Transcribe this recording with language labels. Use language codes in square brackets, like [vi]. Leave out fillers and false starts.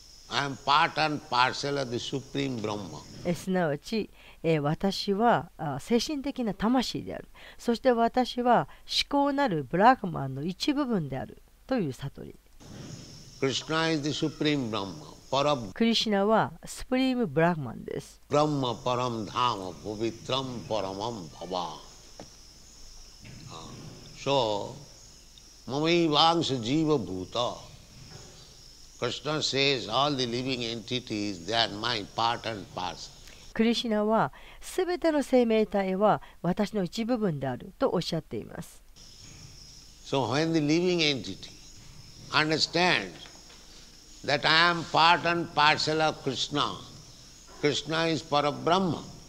[en] I am part and parcel of the Supreme Brahma. [ja] すなわち、私は精神的な魂である。そして私は思考なるブラグマンの一部分であるという悟り。 [en] Krishna is the Supreme Brahma. Param. [ja] クリシナはスプリームブラグマンです。 [sa] Brahma param dhamo bhuvitram paramam bhava. So, mami vangs jiva bhuta. [en] Krishna says all the living entities, they are my part and parcel. [ja] クリシナは、すべての生命体は私の一部分であるとおっしゃっています。 [en] So when the living entity understands that I am part and parcel of Krishna, Krishna is Parabrahma.